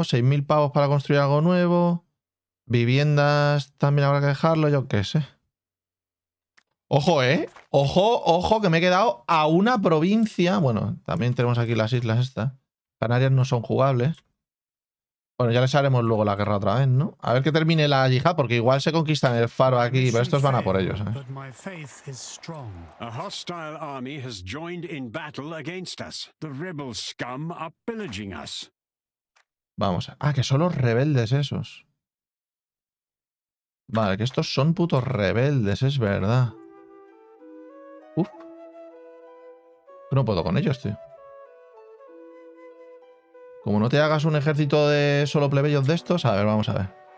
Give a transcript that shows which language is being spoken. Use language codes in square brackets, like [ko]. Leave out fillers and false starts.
[es] 6.000 pavos para construir algo nuevo. Viviendas también habrá que dejarlo, yo qué sé. ¡Ojo, eh! ¡Ojo que me he quedado a una provincia! Bueno, también tenemos aquí las islas estas. Canarias no son jugables. Bueno, ya les haremos luego la guerra otra vez, ¿no? A ver que termine la yihad, porque igual se conquistan el faro aquí, pero estos van a por ellos, ¿eh? [en] A hostile army has joined in battle against us. The rebel scum are pillaging us. [es] Vamos. Ah, que son los rebeldes esos. Vale, que estos son putos rebeldes, es verdad. Uf. No puedo con ellos, tío. Como no te hagas un ejército de solo plebeyos de estos, a ver, vamos a ver.